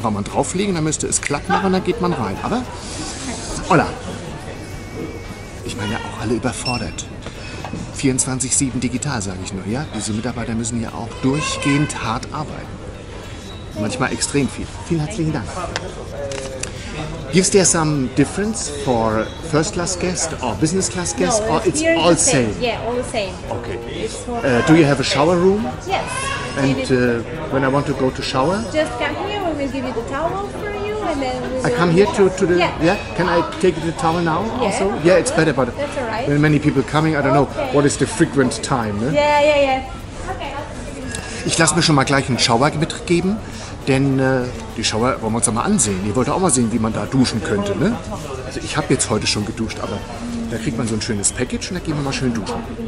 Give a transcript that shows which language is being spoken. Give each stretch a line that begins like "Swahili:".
German: Den braucht man drauflegen, dann müsste es klack machen und dann geht man rein, aber hola. Ich meine, auch alle überfordert. 24/7 digital, sage ich nur, ja? Diese Mitarbeiter müssen ja auch durchgehend hart arbeiten. Manchmal extrem viel. Vielen herzlichen Dank.
English: Gives there some difference for first class guest or business class guest? No, or it's all the same. Same? Yeah, all the same. Okay. Do you have a shower room? Yes. And when I want to go to shower? Just come here, we will give you the towel for you. I come here to the, yeah, can I take the towel now also? Yeah, yeah, it's better, but that's all right. When many people coming, I don't know, what is the frequent time?
German: Ne?
English: Yeah. Okay.
German: Ich lasse mir schon mal gleich einen Shower mitgeben, denn die Shower wollen wir uns auch mal ansehen. Ihr wollt auch mal sehen, wie man da duschen könnte, ne? Also ich habe jetzt heute schon geduscht, aber da kriegt man so ein schönes Package und da gehen wir mal schön duschen.